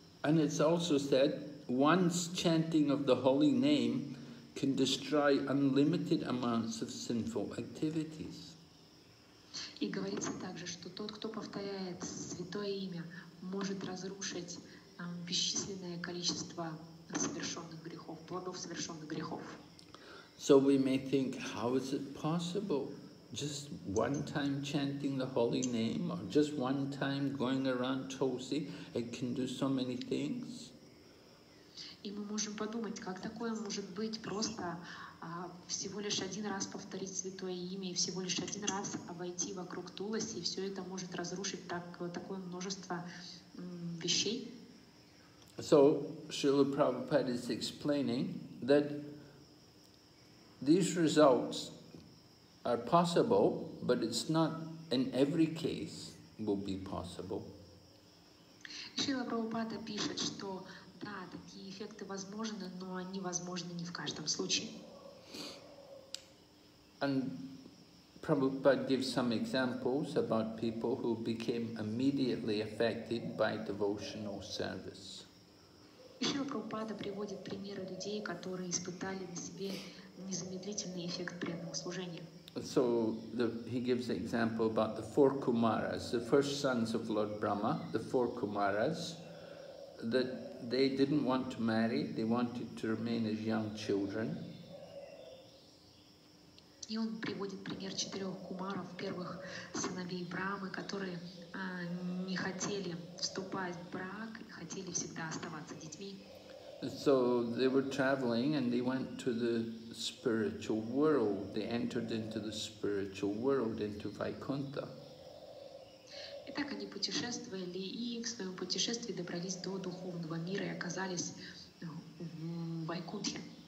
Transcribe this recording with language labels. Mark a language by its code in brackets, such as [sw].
[en] And it's also said, one's chanting of the holy name can destroy unlimited amounts of sinful activities. [ru] И говорится также, что тот, кто повторяет святое имя, может разрушить бесчисленное количество совершенных грехов, плодов совершенных грехов. [en] So we may think, how is it possible? Just one time chanting the holy name, or just one time going around Tulsi, it can do so many things. [ru] И мы можем подумать, как такое может быть, просто всего лишь один раз повторить святое имя и всего лишь один раз обойти вокруг Туласи, и все это может разрушить такое множество вещей. [en] So, Srila Prabhupada is explaining that these results are possible, but it's not in every case will be possible. [ru] Srila Prabhupada пишет, что да, такие эффекты возможны, но они возможны не в каждом случае. [en] And Prabhupada gives some examples about people who became immediately affected by devotional service. [ru] Ещё Прабхупада приводит примеры людей, которые испытали на себе незамедлительный эффект преданного служения. [en] So he gives an example about the four Kumaras, the first sons of Lord Brahma, the four Kumaras, that they didn't want to marry, they wanted to remain as young children. [ru] И он приводит пример четырех кумаров, первых сыновей Брамы, которые не хотели вступать в брак, хотели всегда оставаться детьми. [en] So they were traveling and they went to the spiritual world. They entered into the spiritual world, into Vaikuntha. [ru] И так они путешествовали, и в своем путешествии добрались до духовного мира и оказались на Вайкунтхе.